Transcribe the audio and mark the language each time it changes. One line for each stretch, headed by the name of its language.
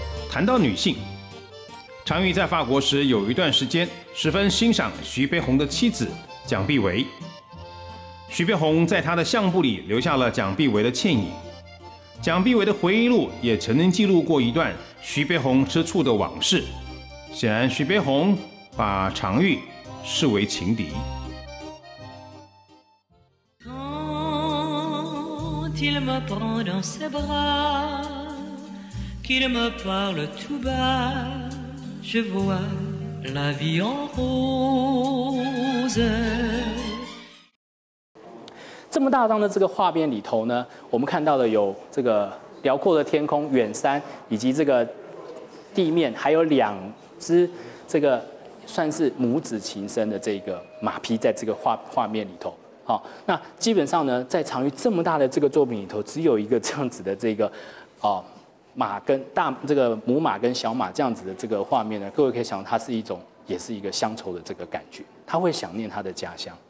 Chinese: 谈到女性，常玉在法国时有一段时间十分欣赏徐悲鸿的妻子蒋碧薇。徐悲鸿在他的相簿里留下了蒋碧薇的倩影，蒋碧薇的回忆录也曾经记录过一段徐悲鸿吃醋的往事，显然徐悲鸿把常玉视为情敌。
French: Quand il me prend dans ses bras, qu'il me parle tout bas, je vois la vie en rose。
Chinese: 这么大张的这个画面里头呢，我们看到的有这个辽阔的天空、远山，以及这个地面，还有两只这个算是母子情深的这个马匹，在这个画面里头。好，那基本上呢，在常玉这么大的这个作品里头，只有一个这样子的这个马跟大这个母马跟小马这样子的这个画面呢，各位可以想，它是一种也是一个乡愁的这个感觉，他会想念他的家乡。